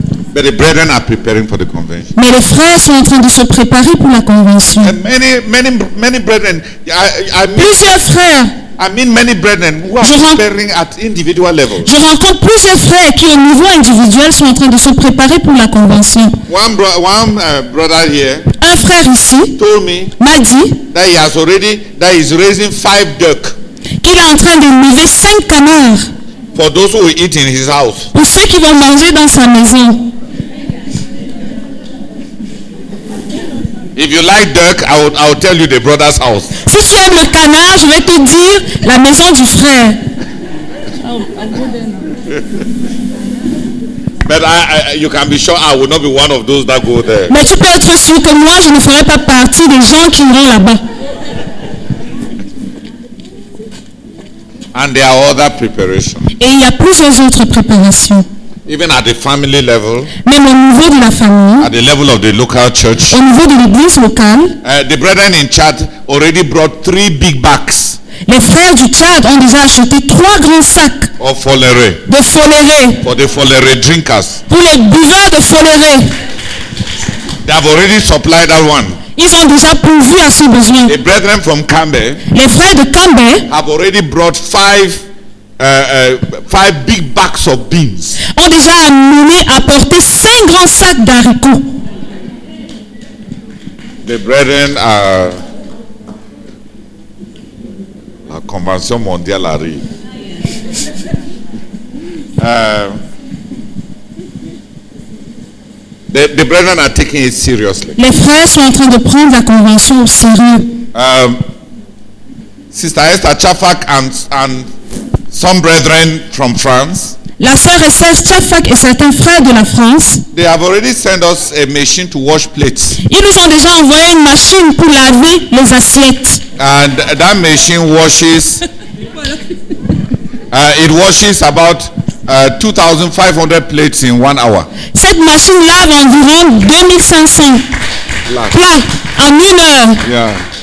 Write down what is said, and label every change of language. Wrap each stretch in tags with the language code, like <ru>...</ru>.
<en>But the brethren are preparing for the convention.</en> <fr>Mais les frères sont en train de se préparer pour la convention.</fr> <en>And many brethren,</en> <fr>plusieurs frères.</fr> <en>I mean many brethren who are preparing at individual level.</en> <fr>Je rencontre plusieurs frères qui au niveau individuel sont en train de se préparer pour la convention.</fr> <en>One brother here.</en> <fr>Un frère ici.</fr> <en>Told me.</en> <fr>M'a dit.</fr> <en>That he is raising 5 ducks.</en> <fr>Qu'il est en train d'élever 5 canards.</fr> <en>For those who eat in his house.</en> <fr>Pour ceux qui vont manger dans sa maison.</fr> <en>If you like duck, I'll tell you the brother's house.</en> <fr>Si tu aimes le canard, je vais te dire la maison du frère.</fr> <en>But you can be sure I will not be one of those that go there.</en> <fr>Mais tu peux être sûr que moi je ne ferai pas partie des gens qui iront là-bas.</fr> <en>And there are other preparations.</en> <fr>Et il y a plusieurs autres préparations.</fr> <en>Even at the family level.</en> <fr>Même au niveau de la famille.</fr> <en>At the level of the local church.</en> <fr>Au niveau de l'église locale.</fr> <en>The brethren in Chad already brought 3 big bags.</en> <fr>Les frères du Tchad ont déjà acheté 3 grands sacs.</fr> <en>Of foleré.</en> <fr>De foleré.</fr> <en>For the foleré drinkers.</en> <fr>Pour les buveurs de foleré.</fr> <en>They have already supplied that one.</en> <fr>Ils ont déjà pourvu à ce besoin.</fr> <en>The brethren from Cambay.</en> <fr>Les frères de Cambay.</fr> <en>Have already brought 5 big bags of beans.</en> <fr>Ont déjà amené à porter 5 grands sacs d'haricots.</fr> <en>The brethren are.</en> <fr>La convention mondiale arrive.</fr> <en>The brethren are taking it seriously.</en> <fr>Les frères sont en train de prendre la convention au sérieux.</fr> <en>Sister Esther Chafak and some brethren from France.</en> <fr>La sœur Esther Chafak et certains frères de la France.</fr> <en>They have already sent us a machine to wash plates.</en> <fr>Ils nous ont déjà envoyé une machine pour laver les assiettes.</fr> <en>And that machine washes. It washes about 2,500 plates in 1 hour.</en> <fr>Cette machine lave environ 2,500 plats en 1 heure.</fr>